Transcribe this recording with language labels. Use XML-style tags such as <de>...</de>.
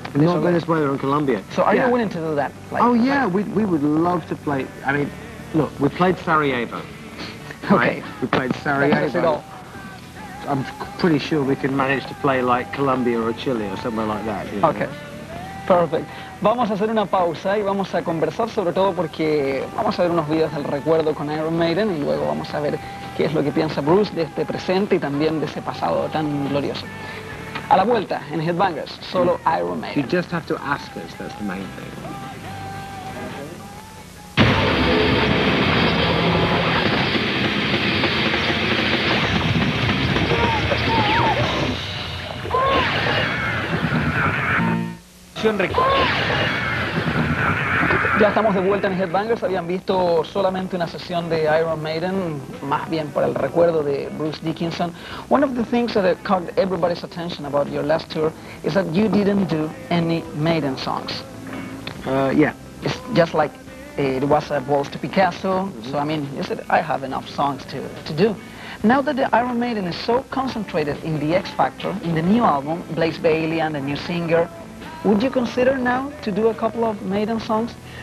<en>not Venezuela and Colombia. So are you willing to do that? Like, oh yeah, like, we would love to play. I mean, look, we played Sarajevo. Right? Okay. We played Sarajevo. I'm pretty sure we can manage to play like Colombia or Chile or somewhere like that. You know? Okay. Perfect.</en> <es>Vamos a hacer una pausa y vamos a conversar sobre todo porque vamos a ver unos videos del recuerdo con Iron Maiden y luego vamos a ver qué es lo que piensa Bruce de este presente y también de ese pasado tan glorioso. A la vuelta, en Headbangers, solo Iron Maiden.</es> <en>You just have to ask us, that's the main thing.</en> <es>Ya estamos de vuelta en Headbangers. Habían visto solamente una sesión de Iron Maiden, más bien por el recuerdo de Bruce Dickinson.</es> <en>One of the things that caught everybody's attention about your last tour is that you didn't do any Maiden songs. Yeah. It's just like it was a Waltz to Picasso. Mm-hmm. So I mean, you said I have enough songs to do. Now that the Iron Maiden is so concentrated in the X Factor, in the new album, Blaze Bailey and the new singer, would you consider now to do a couple of Maiden songs?</en>